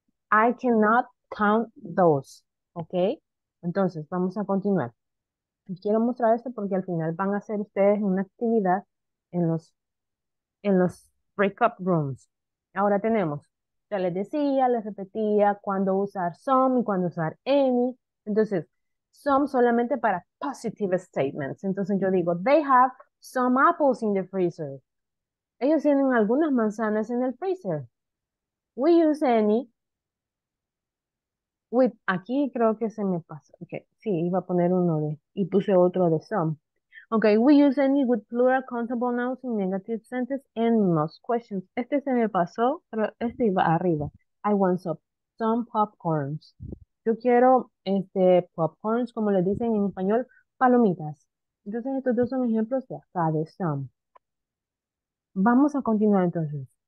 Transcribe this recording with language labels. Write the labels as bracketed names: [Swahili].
[English] I cannot count those. Okay? [Spanish] Entonces, vamos a continuar. Quiero mostrar esto porque al final van a hacer ustedes una actividad en los breakup rooms. Ahora tenemos. Ya les decía, les repetía cuándo usar some y cuándo usar any. Entonces, some solamente para positive statements. Entonces yo digo, [English] they have some apples in the freezer. [Spanish] Ellos tienen algunas manzanas en el freezer. [English] We use any. [Spanish] Aquí creo que se me pasó. Okay, sí, iba a poner uno de, y puse otro de some. [English] Okay, we use any with plural countable nouns in negative sentences and most questions. [Spanish] Este se me pasó, pero este iba arriba. [English] I want some popcorns. [Spanish] Yo quiero popcorns, como le dicen en español, palomitas. Entonces, estos dos son ejemplos de acá, de some. Vamos a continuar entonces.